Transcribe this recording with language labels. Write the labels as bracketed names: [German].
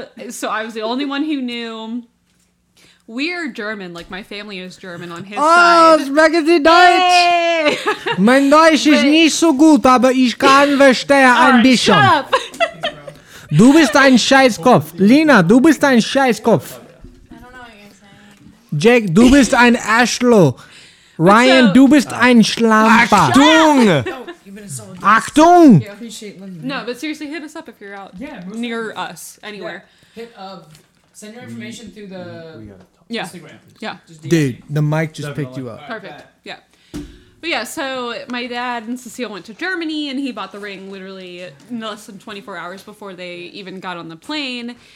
[English] So I was the only one who knew. We're German. Like, my family is German on his side. [German] Oh, sprechen Sie Deutsch? Mein Deutsch ist nicht so gut, aber ich kann verstehen ein bisschen. [English] All right, shut up. [German] Du bist ein Scheißkopf. Lina, du bist ein Scheißkopf. [English] I don't know what you're saying. [German] Jake, du bist ein Arschloch. Ryan, du bist ein Schlampe. Achtung! [English] No, you've been a solid guest. [German] Achtung! [English] No, but seriously, hit us up if you're out. Yeah, near on. Us, anywhere. Yeah. Send your information through the Instagram. Yeah. Dude, the mic just picked you up. Perfect, yeah. But yeah, so my dad and Cecile went to Germany, and he bought the ring literally less than 24 hours before they even got on the plane.